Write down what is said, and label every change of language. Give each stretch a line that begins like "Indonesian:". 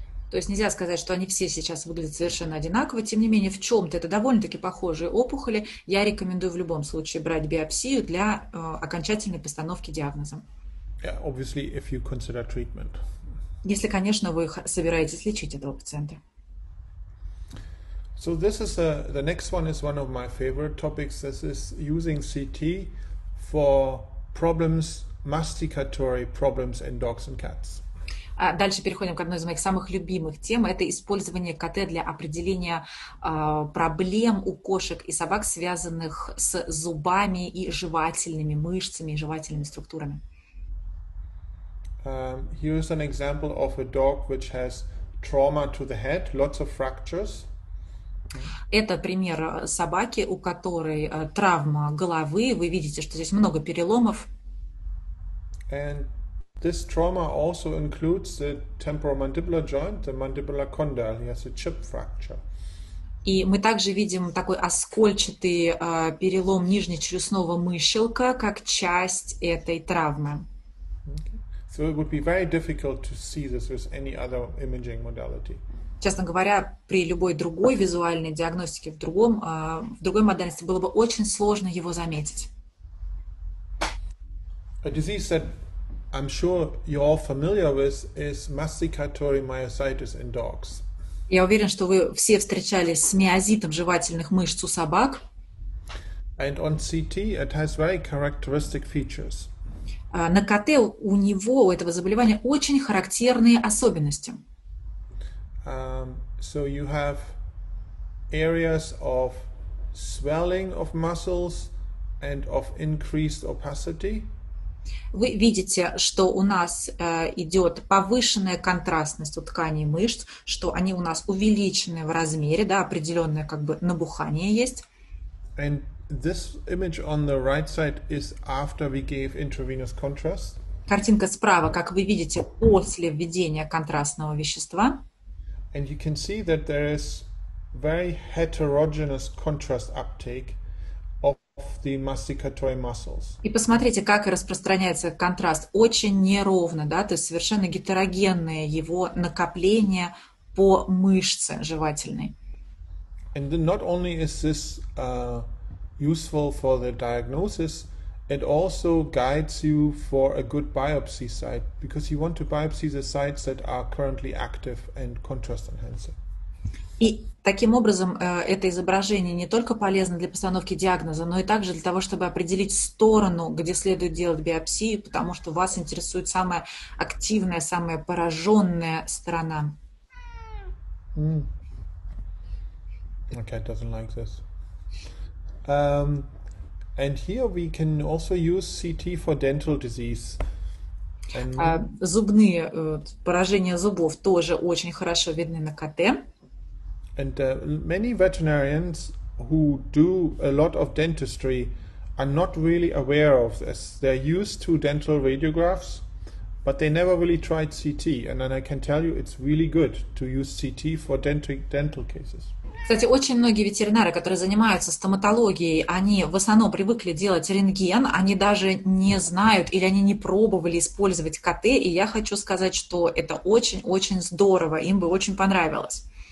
Russian: То есть нельзя сказать, что они все сейчас выглядят совершенно одинаково. Тем не менее, в чем-то это довольно-таки похожие опухоли. Я рекомендую в любом случае брать биопсию для окончательной постановки диагноза.
English: Yeah, obviously, if you consider treatment.
Russian: Если, конечно, вы собираетесь лечить этого пациента.
English: So this is a, the next one is one of my favorite topics. This is using CT for problems, masticatory problems in dogs and cats.
Russian: Дальше переходим к одной из моих самых любимых тем. Это использование КТ для определения проблем у кошек и собак, связанных с зубами и жевательными мышцами, и жевательными структурами.
English: Here is an example of a dog which has trauma to the head, lots of fractures.
Russian: Это пример собаки, у которой травма головы. Вы видите, что здесь много переломов.
English: And this trauma also includes the temporomandibular joint, the mandibular condyle. He has a chip fracture.
Russian: И мы также видим такой оскольчатый перелом нижнечелюстного мышелка как часть этой травмы.
English: So it would be very difficult to see this with any other imaging modality.
Russian: Честно говоря, при любой другой визуальной диагностике в другой модальности было бы очень сложно его заметить.
English: A disease that I'm sure you're all familiar with is masticatory myositis in dogs.
Russian: Я уверен, что вы все встречались с миозитом жевательных мышц у собак.
English: And on CT it has very characteristic features.
Russian: На КТ у него, у этого заболевания, очень характерные особенности.
English: So you have areas of swelling of muscles and of increased opacity.
Russian: Вы видите, что у нас идет повышенная контрастность у тканей мышц, что они у нас увеличены в размере, да, определенное как бы набухание есть.
English: And this image on the right side is after we gave intravenous contrast.
Russian: Картинка справа, как вы видите, после введения контрастного вещества.
English: And you can see that there is very heterogeneous contrast uptake of the masticatory muscles.
Russian: И посмотрите, как распространяется контраст. Очень неровно, да, то есть совершенно гетерогенное его накопление по мышце жевательной.
English: And then not only is this useful for the diagnosis, it also guides you for a good biopsy site, because you want to biopsy the sites that are currently active and contrast enhancing.
Russian: И таким образом это изображение не только полезно для постановки диагноза, но и также для того, чтобы определить сторону, где следует делать биопсию, потому что вас интересует самая активная, самая пораженная сторона.
English: Mm. Okay, it doesn't like this. And here we can also use CT for dental disease. And...
Russian: зубные поражения зубов тоже очень хорошо видны на КТ.
English: And many veterinarians who do a lot of dentistry are not really aware of this. They're used to dental radiographs, but they never really tried CT. And then I can tell you it's really good to use CT for dental cases.
Russian: Кстати, очень многие ветеринары, которые занимаются стоматологией, они в основном привыкли делать рентген, они даже не знают или они не пробовали использовать КТ, и я хочу сказать, что это очень-очень здорово, им бы очень понравилось.